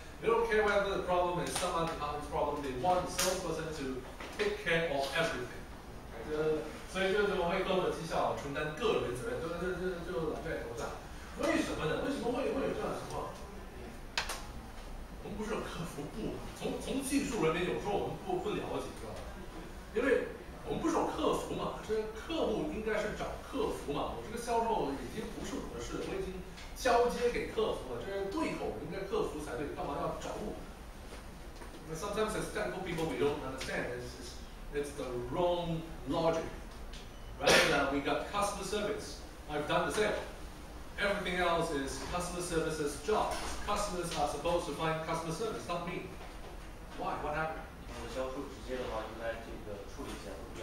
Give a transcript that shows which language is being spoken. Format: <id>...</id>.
<en>They don't care whether the problem is someone department's problem. They want the salesperson to take care of everything.</en> <zh>所以就我为客户的绩效承担个人责任，就老在头上。为什么呢？为什么会有这样的情况？我们不是客服部，从技术人员有时候我们不了解，是吧？因为我们不是有客服嘛，这客户应该是找客服嘛。我这个销售已经不是我的事，我已经交接给客服了，这对口应该客服才对，干嘛要找我 ？</zh> <en>Sometimes as technical people we don't understand, it's the wrong logic. Right now we got customer service. I've done the sale. Everything else is customer service's job. Customers are supposed to find customer service, not me. Why? What happened?</en> <zh>我们销售直接的话，应该这个处理起来。</zh>